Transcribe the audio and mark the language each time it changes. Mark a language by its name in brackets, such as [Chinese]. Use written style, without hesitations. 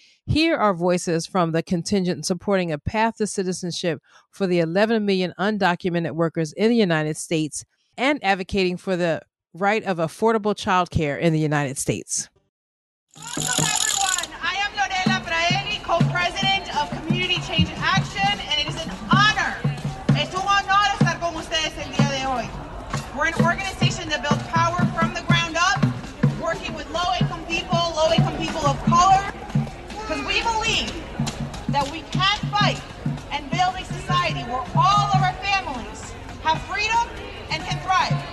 [English] Here are voices from the contingent supporting a path to citizenship for the 11 million undocumented workers in the United States and advocating for the right of affordable child care in the United States. Welcome, everyone. I am Lorela Braeli, co-president of Community Change in Action, and it is an honor. [Spanish] Es un honor estar con ustedes el día de hoy. [English] We're an organization that builds power from the ground up, working with low-income people of color, because we believe that we can fight and build a society where all of our families have freedom and can thrive.